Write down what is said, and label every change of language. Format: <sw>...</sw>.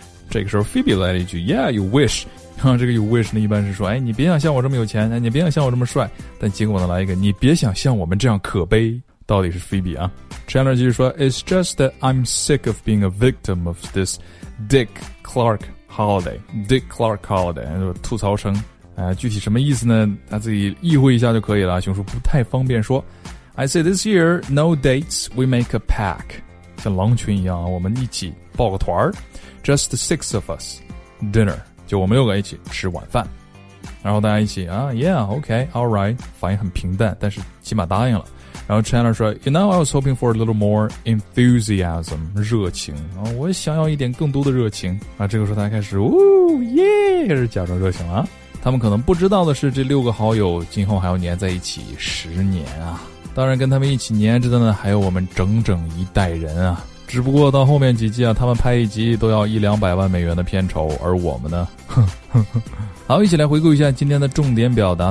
<zh>这个时候 Phoebe 来了一句</zh> <en>Yeah you wish</en> <zh>这个 you wish 呢一般是说哎，你别想像我这么有钱哎，你别想像我这么帅但结果呢来一个你别想像我们这样可悲到底是 Phoebe 啊 Chandler 继续说</zh> <en>It's just that I'm sick of being a victim of this Dick Clark holiday</en> <zh>Dick Clark holiday 吐槽声、具体什么意思呢他自己意会一下就可以了熊叔不太方便说</zh> <en>I say this year, no dates, we make a pack.</en> <zh>像狼群一样，我们一起抱个团儿。</zh> <en>Just the six of us, dinner.</en> <zh>就我们六个一起吃晚饭。然后大家一起啊 ,</zh> <en>yeah, okay, alright,</en> <zh>反应很平淡，但是起码答应了。</zh> <en>然后 Chandler 说 ,you know, I was hoping for a little more enthusiasm, 热情。</en> <zh>啊、我想要一点更多的热情。啊这个时候大家开始呜耶、yeah, 开始假装热情了。他们可能不知道的是这六个好友今后还要黏在一起十年啊。当然跟他们一起黏着的呢还有我们整整一代人啊。只不过到后面几季啊他们拍一集都要一两百万美元的片酬，而我们呢哼哼哼。好，一起来回顾一下今天的重点表达。</zh>